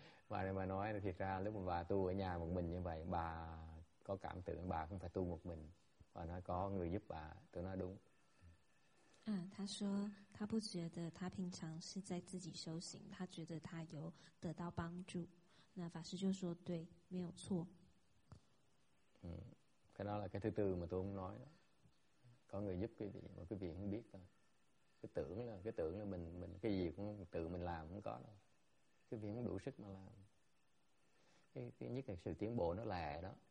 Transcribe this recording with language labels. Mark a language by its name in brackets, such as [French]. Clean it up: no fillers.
[Vietnamese] Bà này bà nói là thiệt ra lúc mà bà tu ở nhà một mình như vậy, bà có cảm tưởng bà không phải tu một mình. Bà nói có người giúp bà, tôi nói đúng. [Chinese] À, 他说他不觉得他平常是在自己修行, 他觉得他有得到帮助. 那法师就说对, 没有错. [Vietnamese] Cái đó là cái thứ tư mà tôi không nói đó. Có người giúp quý vị mà quý vị không biết thôi. Cái tưởng là mình cái gì cũng tự mình làm không có đâu. Quý vị không đủ sức mà làm. Cái nhất là sự tiến bộ nó lè đó.